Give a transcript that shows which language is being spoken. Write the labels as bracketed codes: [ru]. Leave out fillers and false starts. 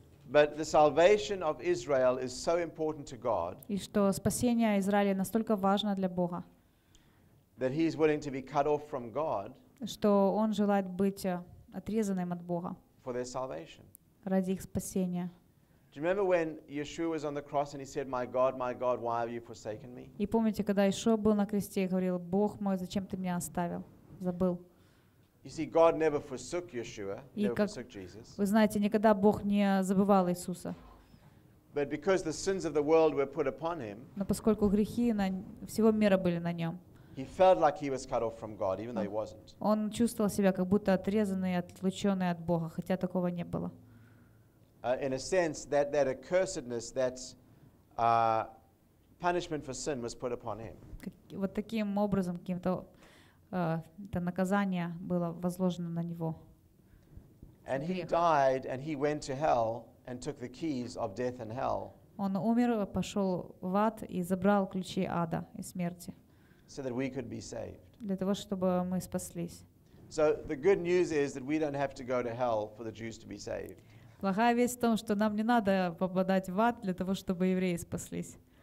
[en] But the salvation of Israel is so important to God. [ru] И что спасение Израиля настолько важно для Бога. [en] That he is willing to be cut off from God. [ru] Что он желает быть отрезанным от Бога. [en] For their salvation. [ru] Ради их спасения. [en] Do you remember when Yeshua was on the cross and he said, "My God, my God, why have you forsaken me?" [ru] И помните, когда Иешуа был на кресте и говорил: "Бог мой, зачем ты меня оставил?" Забыл. [en] You see, God never forsook Yeshua, never forsook Jesus. [ru] Вы знаете, никогда Бог не забывал Иисуса. [en] But because the sins of the world were put upon him, [ru] но поскольку грехи всего мира были на нем, [en] he felt like he was cut off from God, even though he wasn't. [ru] Он чувствовал себя как будто отрезанный, отлученный от Бога, хотя такого не было. [en] In a sense, that accursedness, that punishment for sin was put upon him. [ru] Вот таким образом, каким-то это наказание было возложено на него. [en] And he died, and he went to hell, and took the keys of death and hell. [ru] Он умер, пошел в ад и забрал ключи ада и смерти. [en] So that we could be saved. [ru] Для того, чтобы мы спаслись. [en] So the good news is that we don't have to go to hell for the Jews to be saved. [ru] Плохая весть в том, что нам не надо попадать в ад для того, чтобы евреи спаслись.